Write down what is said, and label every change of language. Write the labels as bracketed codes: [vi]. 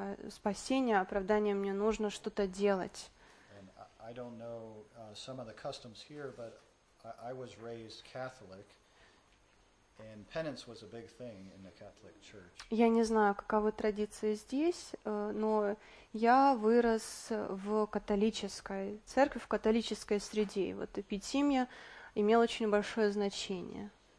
[ru] спасение, оправдание, мне нужно что-то делать. [en] And I don't know some of the customs here, but I was raised Catholic. And penance was a big thing in the Catholic Church. [ru] Я не знаю, каковы традиции здесь, но я вырос в католической церкви, в католической среде. И вот эпитимия имела очень большое значение.